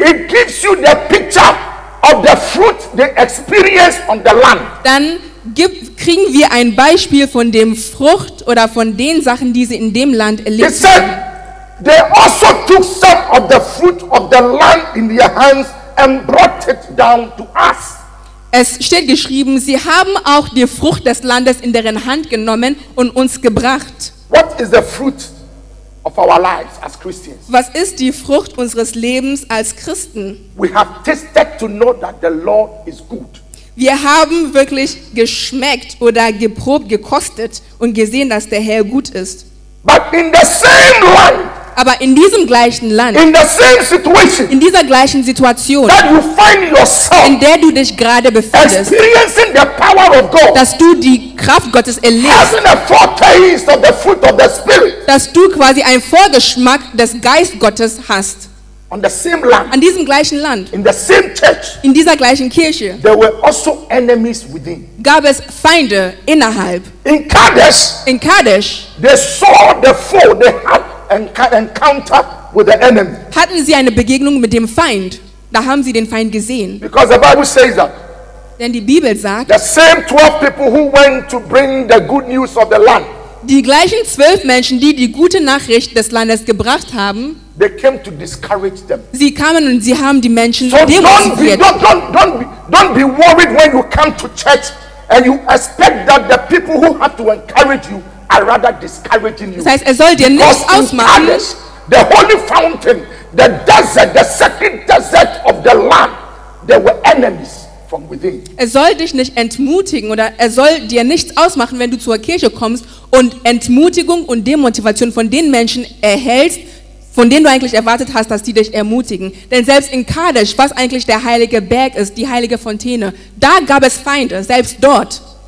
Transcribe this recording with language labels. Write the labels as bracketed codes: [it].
[en] It gives you the picture of the fruit they experience on the land. [de] Dann kriegen wir ein Beispiel von dem Frucht oder von den Sachen, die sie in dem Land erlebt haben. [en] It said they also took some of the fruit of the land in their hands and brought it down to us. [de] Es steht geschrieben, sie haben auch die Frucht des Landes in deren Hand genommen und uns gebracht. [en] What is the fruit of our lives as Christians? [de] Was ist die Frucht unseres Lebens als Christen? [en] We have tasted to know that the Lord is good. [de] Wir haben wirklich geschmeckt oder geprobt, gekostet und gesehen, dass der Herr gut ist. [en] But in the same land, [de] aber in diesem gleichen Land, [en] in the same situation, [de] in dieser gleichen Situation, [en] that you find yourself, [de] in der du dich gerade befindest, [en] experiencing the power of God, [de] dass du die Kraft Gottes erlebst, [en] having a foretaste of the fruit of the Spirit, [de] dass du quasi einen Vorgeschmack des Geist Gottes hast, [en] on the same land, [de] an diesem gleichen Land, [en] in the same church, [de] in dieser gleichen Kirche, [en] there were also enemies within. [de] Gab es Feinde innerhalb. [en] In Kadesh, [de] in Kadesh, [en] they saw the foe, they had encounter with the enemy. [de] Hatten sie eine Begegnung mit dem Feind? Da haben sie den Feind gesehen. [en] Because the Bible says that. [de] Denn die Bibel sagt. [en] The same 12 people who went to bring the good news of the land. [de] Die gleichen 12 Menschen, die gute Nachricht des Landes gebracht haben. [en] They came to discourage them. [de] Sie kamen und sie haben die Menschen demotiviert. [en] Don't be worried when you come to church and you expect that the people who have to encourage you are rather discouraging you. [de] Das heißt, soll dir nicht ausmachen. Kadesh, [en] the holy fountain, the desert, the sacred desert of the land, there were enemies. [de] Soll dich nicht entmutigen oder soll dir nichts ausmachen, wenn du zur Kirche kommst und Entmutigung und Demotivation von den Menschen erhältst, von denen du eigentlich erwartet hast, dass die dich ermutigen. Denn selbst in Kadesh, was eigentlich der heilige Berg ist, die heilige Fontäne, da gab es Feinde, selbst dort.